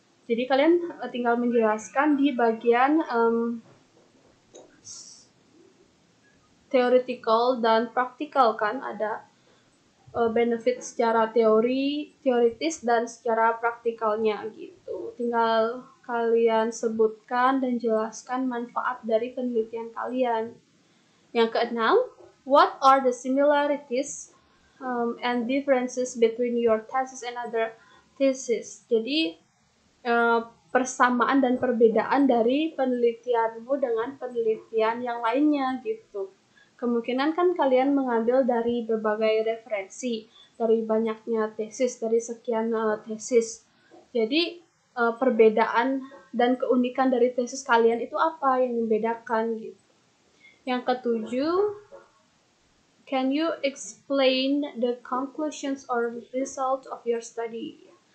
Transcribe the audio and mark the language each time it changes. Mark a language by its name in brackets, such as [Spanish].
[Indonesian] Jadi kalian tinggal menjelaskan di bagian theoretical dan practical kan, ada benefit secara teori, teoritis dan secara praktikalnya gitu. Tinggal kalian sebutkan dan jelaskan manfaat dari penelitian kalian. Yang keenam, [English] what are the similarities and differences between your thesis and other thesis? [Indonesian] Jadi persamaan dan perbedaan dari penelitianmu dengan penelitian yang lainnya gitu. Kemungkinan kan kalian mengambil dari berbagai referensi, dari banyaknya tesis, dari sekian tesis. Jadi, perbedaan dan keunikan dari tesis kalian itu apa yang membedakan gitu. Yang ketujuh, [English] can you explain the conclusions or results of your study?